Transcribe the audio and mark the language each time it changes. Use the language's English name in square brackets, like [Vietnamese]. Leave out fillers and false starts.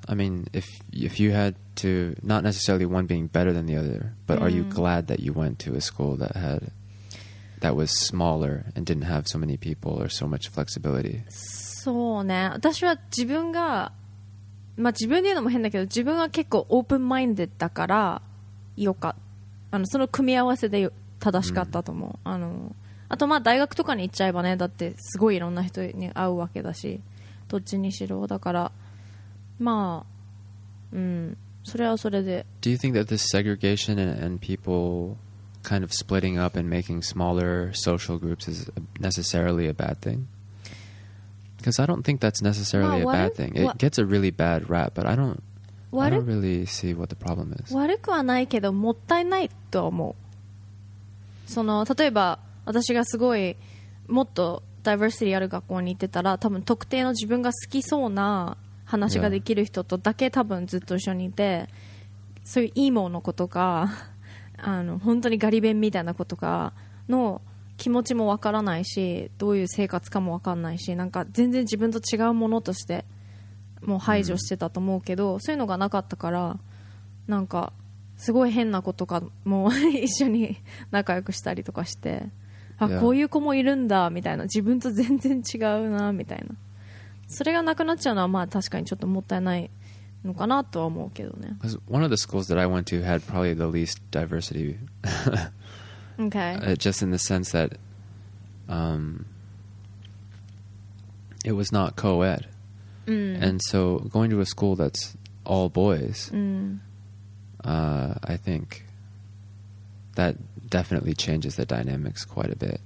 [English] I mean, if you had to, not necessarily one being better than the other, but are you glad that you went to a school that had, that was smaller and didn't have so many people or so much flexibility? [Japanese] そうね。私は自分が、まあ自分で言うのも変だけど、自分は結構オープンマインドだから、よかった。あの、その組み合わせで正しかったと思う。あの、あとまあ大学とかに行っちゃえばね、だってすごいいろんな人に会うわけだし、どっちにしろだから、まあ、うん、それはそれで。 [English] Do you think that this segregation and people kind of splitting up and making smaller social groups is necessarily a bad thing? Because I don't think that's necessarily a bad thing. It gets a really bad rap, but I don't really see what the problem is. [Japanese] 悪くはないけど、もったいないとは思う。その、例えば、私がすごいもっとダイバーシティある学校に行ってたら、多分特定の自分が好きそうな話ができる人とだけ多分ずっと一緒にいて、そういうイモの子とか、あの本当にガリ勉みたいな子とかの気持ちもわからないし、どういう生活かもわかんないし、なんか全然自分と違うものとしてもう排除してたと思うけど、そういうのがなかったから、なんかすごい変な子とかも一緒に仲良くしたりとかして、あ、こういう子もいるんだみたいな、自分と全然違うなみたいな、それがなくなっちゃうのはまあ確かにちょっともったいないのかなとは思うけどね。 [English] Because one of the schools that I went to had probably the least diversity. Okay. Just in the sense that it was not co-ed. And so going to a school that's all boys, I think that definitely changes the dynamics quite a bit.